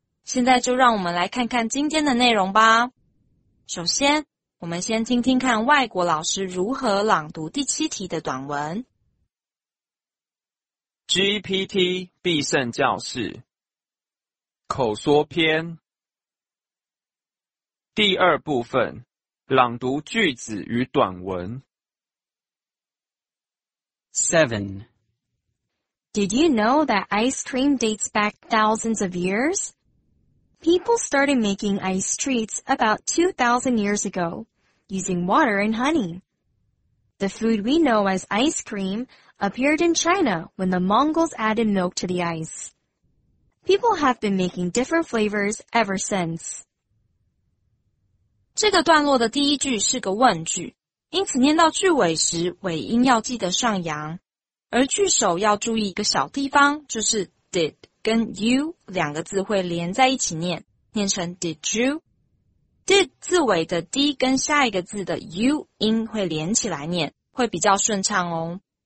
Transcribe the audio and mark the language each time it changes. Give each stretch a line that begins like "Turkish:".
Chinese: 现在就让我们来看看今天的内容吧。首先，我们先听听看外国老师如何朗读第七题的短文。 GPT 必胜教室口说篇第二部分，朗读句子与短文。
English: 7. Did you know that ice cream dates back thousands of years? People started making ice treats about 2,000 years ago, using water and honey. The food we know as ice cream appeared in China when the Mongols added milk to the ice. People have been making different flavors ever since.
Chinese: 这个段落的第一句是个问句，因此念到句尾时，尾音要记得上扬。而句首要注意一个小地方，就是 did 跟 you 两个字会连在一起念，念成 did you? Did 字尾的 d 跟下一个字的 you 音会连起来念，会比较顺畅哦。